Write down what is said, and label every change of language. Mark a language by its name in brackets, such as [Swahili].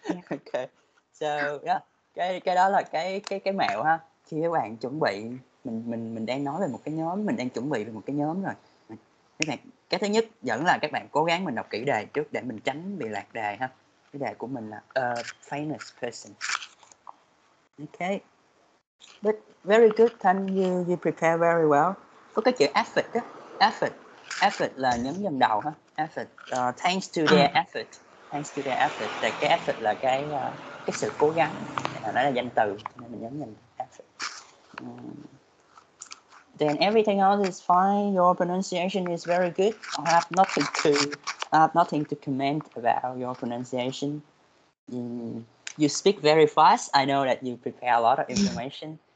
[Vietnamese] Ok, [English] so yeah, [Vietnamese] cái đó là cái mẹo ha. Khi các bạn chuẩn bị, mình đang nói về một cái nhóm, mình đang chuẩn bị về một cái nhóm rồi. Cái thứ nhất vẫn là các bạn cố gắng mình đọc kỹ đề trước để mình tránh bị lạc đề ha. Cái đề của mình là [English] a famous person. Ok. But very good, thank you, you prepare very well. [Vietnamese] Có cái chữ effort đó, effort là nhấn dần đầu ha, effort, [English] thanks to their effort, thanks to their effort, [Vietnamese] là cái effort là cái sự cố gắng, nó là danh từ, nên mình nhấn dần effort. [English] Then everything else is fine, your pronunciation is very good, I have nothing to comment about your pronunciation. You speak very fast, I know that you prepare a lot of information.